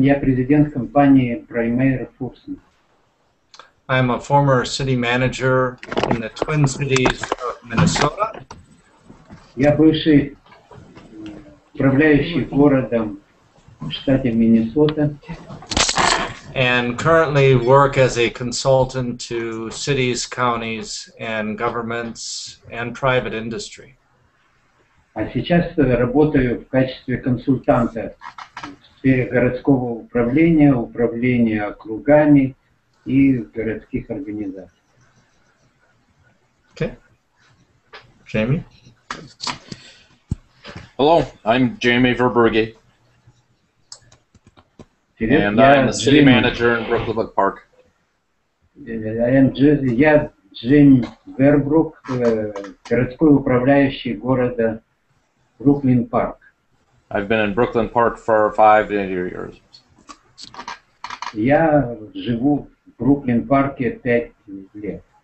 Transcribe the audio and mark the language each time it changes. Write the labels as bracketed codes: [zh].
[ru] Я президент компании Bremer Forsman. [en] I am a former city manager in the Twin Cities of Minnesota. [ru] Я бывший управляющий городом в штате Миннесота. [en] And currently work as a consultant to cities, counties, and governments, and private industry. [ru] А сейчас работаю в качестве консультанта в сфере городского управления, управления округами и городских организаций. [en] Okay. Jamie? Hello, I'm Jamie Verbrugge. And I am the city manager in Brooklyn Park. [ru] Я Джим Вербрук, городской управляющий города Бруклин Парк. [en] I've been in Brooklyn Park for 5 years. [ru] Я живу в Бруклин Парке 5 лет.